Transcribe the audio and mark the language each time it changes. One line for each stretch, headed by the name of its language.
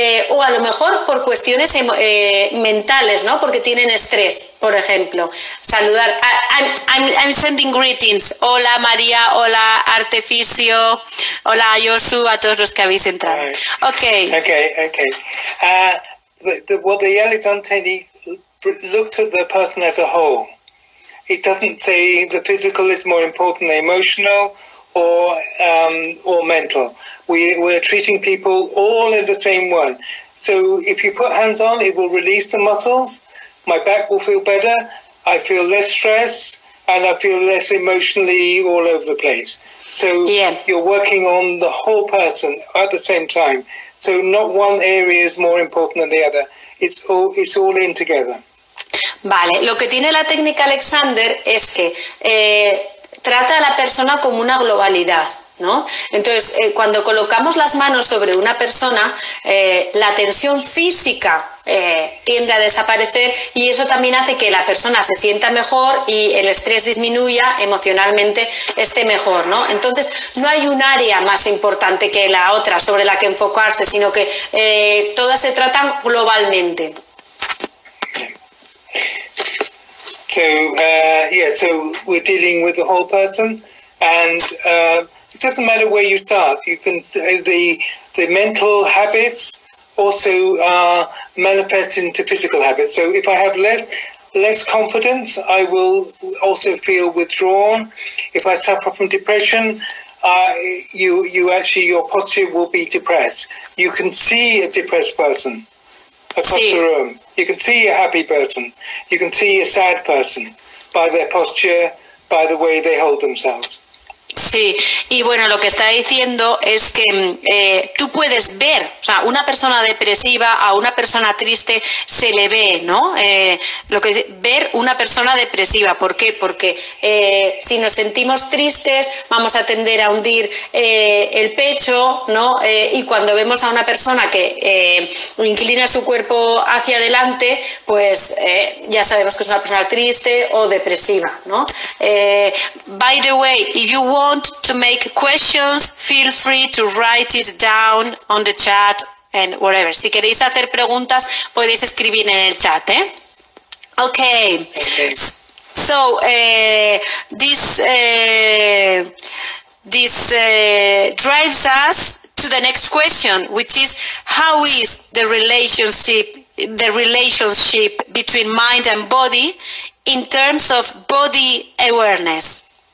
Spanish: O a lo mejor por cuestiones mentales, ¿no? Porque tienen estrés, por ejemplo. Saludar.
English: I'm sending greetings.
Spanish: Hola María, hola Artificio, hola Josu, a todos los que habéis entrado.
English: Okay. Okay, okay. The Alexander technique looks at the person as a whole. It doesn't say the physical is more important than emotional or mental. We're treating people all in the same one. So if you put hands on, it will release the muscles, my back will feel better, I feel less stress, and I feel less emotionally all over the place. So you're working on the whole person at the same time. So not one area is more important than the other. It's all in together.
Spanish: Vale, lo que tiene la técnica Alexander es que trata a la persona como una globalidad, ¿no? Entonces, cuando colocamos las manos sobre una persona, la tensión física tiende a desaparecer y eso también hace que la persona se sienta mejor y el estrés disminuya, emocionalmente esté mejor, ¿no? Entonces, no hay un área más importante que la otra sobre la que enfocarse, sino que todas se tratan globalmente.
English: So we're dealing with the whole person, and it doesn't matter where you start. You can the mental habits also manifest into physical habits. So if I have less confidence, I will also feel withdrawn. If I suffer from depression, your posture will be depressed. You can see a depressed person across the room. You can see a happy person. You can see a sad person by their posture, by the way they hold themselves.
Spanish: Sí, y bueno, lo que está diciendo es que tú puedes ver, o sea, una persona depresiva a una persona triste se le ve, ¿no? Lo que es ver una persona depresiva, ¿por qué? Porque si nos sentimos tristes vamos a tender a hundir el pecho, ¿no? Y cuando vemos a una persona que inclina su cuerpo hacia adelante, pues ya sabemos que es una persona triste o depresiva, ¿no?
English: By the way, if you want to make questions, feel free to write it down on the chat and whatever.
Spanish: Si queréis hacer preguntas, podéis escribir en el chat, ¿eh?
English: Okay. So, this drives us to the next question, which is how is the relationship between mind and body in terms of body awareness?